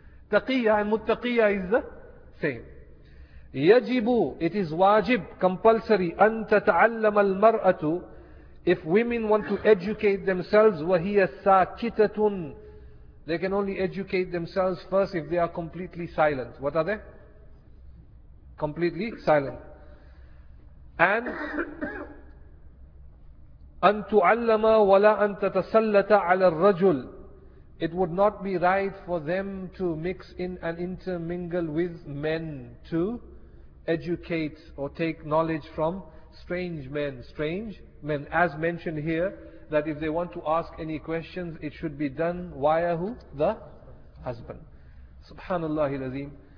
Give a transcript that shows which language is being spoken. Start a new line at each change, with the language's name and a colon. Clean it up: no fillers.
English: Taqiyya and muttaqiyya is the same.
Arabic: Yajibu,
English: it is wajib, compulsory,
Arabic: an tata'allam al-mar'atu,
English: if women want to educate themselves,
Arabic: wa hiya sakitatun,
English: they can only educate themselves first if they are completely silent. What are they? Completely silent.
Arabic: And أن تعلم ولا أن تتسلط على الرجل.
English: It would not be right for them to mix in and intermingle with men, to educate or take knowledge from strange men. Strange men, as mentioned here, that if they want to ask any questions, it should be done via who? The husband. SubhanAllah al-Azim.